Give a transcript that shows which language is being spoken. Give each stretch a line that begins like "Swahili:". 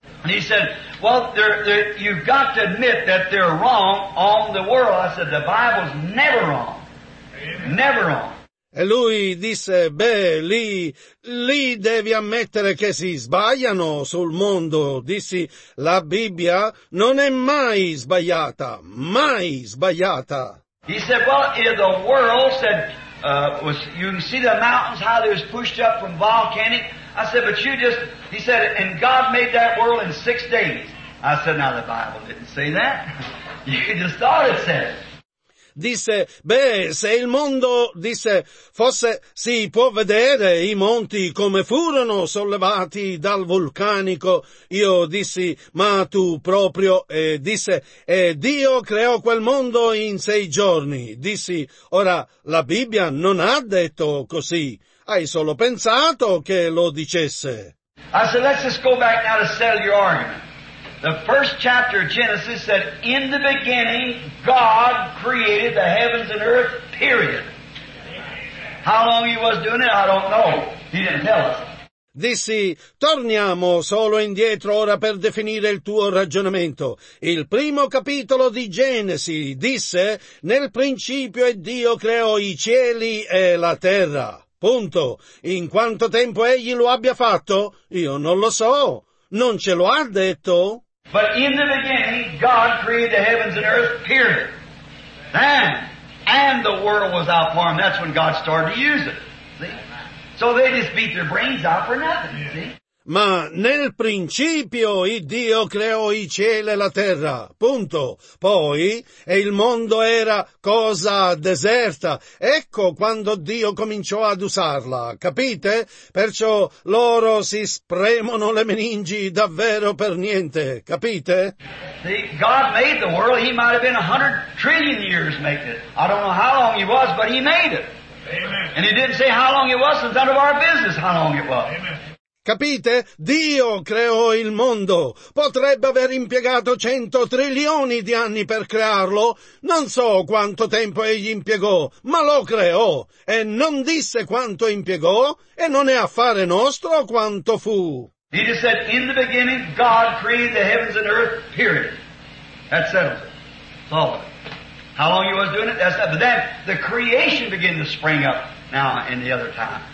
English: And he said, well, you've got to admit that they're wrong on the world. I said, the Bible's never wrong. Never wrong.
Italian: E lui disse, beh, lì devi ammettere che si sbagliano sul mondo. Dissi, la Bibbia non è mai sbagliata, mai sbagliata.
English: He said, well, in the world, said, was, you can see the mountains, how they was pushed up from volcanic. I said, but you just, he said, and God made that world in 6 days. I said, now the Bible didn't say that. You just thought it said it.
Italian: Disse, beh, se il mondo, disse, fosse, si può vedere i monti come furono sollevati dal vulcanico. Io dissi, ma tu proprio, disse, e Dio creò quel mondo in 6 giorni. Dissi, ora, la Bibbia non ha detto così. Hai solo pensato che lo dicesse.
English: I said, let's just go back now to settle your argument. The first chapter of Genesis said, in the beginning, God created the heavens and earth, period. How long he was doing it, I don't know. He didn't tell us.
Italian: Dissi, torniamo solo indietro ora per definire il tuo ragionamento. Il primo capitolo di Genesi disse, nel principio è Dio creò i cieli e la terra. Punto. In quanto tempo egli lo abbia fatto, io non lo so. Non ce lo ha detto.
English: But in the beginning, God created the heavens and earth, period. Then, and the world was out for them. That's when God started to use it. See? So they just beat their brains out for nothing, see?
Italian: Ma nel principio Dio creò i cieli e la terra, punto. Poi, e il mondo era cosa deserta. Ecco quando Dio cominciò ad usarla, capite? Perciò loro si spremono le meningi davvero per niente, capite?
English: See, God made the world. He might have been 100 trillion years making it. I don't know how long he was, but he made it. Amen. And he didn't say how long it was. It's none of our business how long it was. Amen.
Italian: Capite? Dio creò il mondo. Potrebbe aver impiegato 100 trilioni di anni per crearlo. Non so quanto tempo egli impiegò, ma lo creò. E non disse quanto impiegò, e non è affare nostro quanto fu.
English: He just said, in the beginning, God created the heavens and earth, period. That settles it. So, how long he was doing it? That's that. But then, the creation began to spring up now in the other time.